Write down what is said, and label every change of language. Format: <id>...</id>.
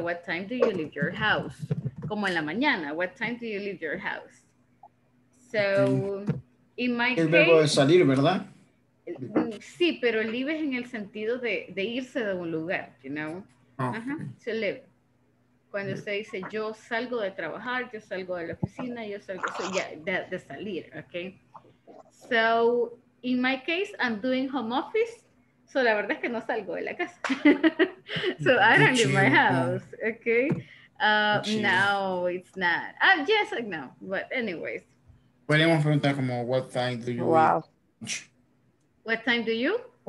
<en>What time do you leave your house?</en> <es>Como en la mañana.</es> <en>What time do you leave your house? So, okay. In my</en> <es>el</es> <en>case...</en> <es>El verbo de salir, ¿verdad? Sí, pero leave es en el sentido de irse de un lugar,</es> <en>you know? Okay. So, leave.</en> <es>Cuando usted dice, yo salgo de trabajar, yo salgo de la oficina, yo salgo... So, yeah, de salir, okay?</es> <en>So, in my case, I'm doing home office.</en> <es>So, la verdad es que no salgo de la casa.</es> <en>So, I don't leave my house. Okay. No, it's not. Yes, no. But anyways.</en> <es>Podríamos preguntar como,</es> <en>what time do you eat lunch? What time do you?</en>